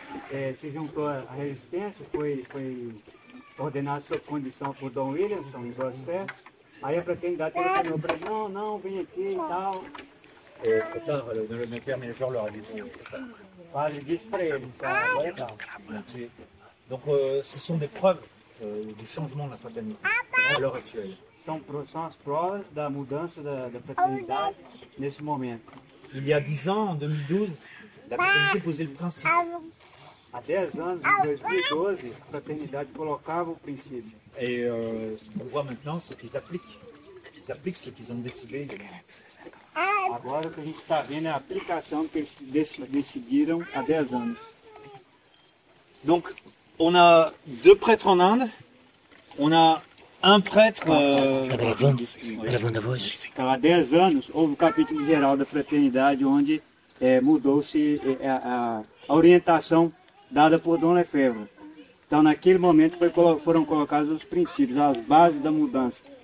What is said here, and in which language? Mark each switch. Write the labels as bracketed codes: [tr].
[pt] Se juntou à resistência, foi ordenado sob condição por Dom Williamson, em Brossé. Aí a fraternidade telefonou para ele: não, não, vem aqui e tal. É, claro, o meu pai me ajudou a dizer. Padre disse para ele: então, vai lá. [fr] Então, ce sont des preuves du changement da fraternidade, à l'heure actuelle. [pt] São as provas da mudança da fraternidade nesse momento. [fr] Il y a 10 ans, en 2012, la fraternidade posait le principe. [pt] Há 10 anos, em 2012, a fraternidade colocava o princípio. E o que vemos agora é o que eles aplicam. Eles aplicam o que eles têm decidido. Agora que a gente está vendo a aplicação que eles decidiram há 10 anos. [fr] Donc, on a deux prêtres en Inde. On a un prêtre. [pt] Há 10 anos houve o capítulo geral da fraternidade onde mudou-se a orientação dada por Dom Lefebvre. Então, naquele momento foram colocados os princípios, as bases da mudança.